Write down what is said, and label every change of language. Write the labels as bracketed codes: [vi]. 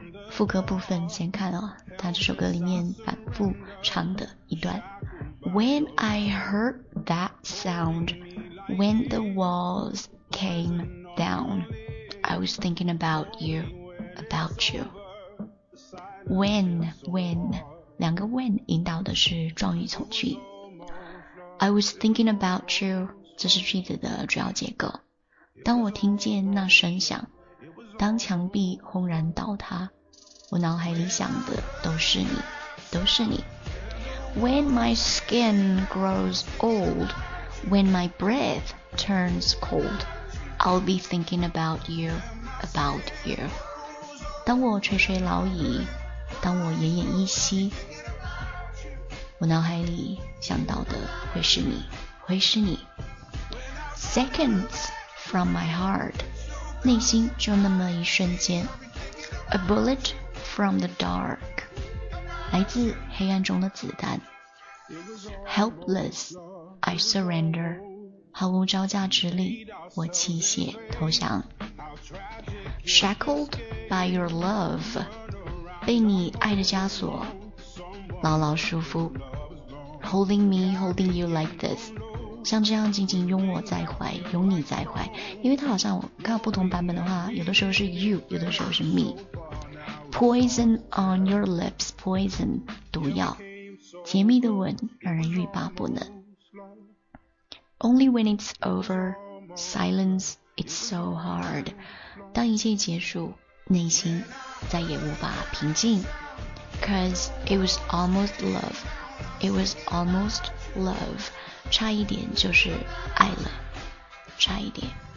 [zh] 副歌部分先看哦，他这首歌里面反复唱的一段 [en] When I heard that sound, when the walls came down, I was thinking about you, [zh] about you. When, 两个 when 引导的是状语从句。 [en] I was thinking about you, [zh] 这是句子的主要结构。当我听见那声响，当墙壁轰然倒塌，我脑海里想的都是你，都是你。 [en] When my skin grows old, when my breath turns cold, I'll be thinking about you, about you. [zh] 当我垂垂老矣，当我奄奄一息，我脑海里想到的会是你，会是你。 [en] Seconds from my heart, [zh] 内心就那么一瞬间。 [en] A bulletFrom the dark, [zh] 来自黑暗中的子弹。 [en] Helpless, I surrender, [zh] 毫无招架之力，我弃械投降。 [en] Shackled by your love, [zh] 被你爱的枷锁，牢牢束缚。 [en] Holding me, holding you like this, [zh] 像这样紧紧拥我在怀，拥你在怀。因为它好像我看到不同版本的话，有的时候是 you, 有的时候是 me。 [en] Poison on your lips, poison, [zh] 毒药，甜蜜的吻让人欲罢不能。 [en] Only when it's over, silence, it's so hard. [zh] 当一切结束，内心再也无法平静。 [en] Cause it was almost love, it was almost love. [zh] 差一点就是爱了，差一点。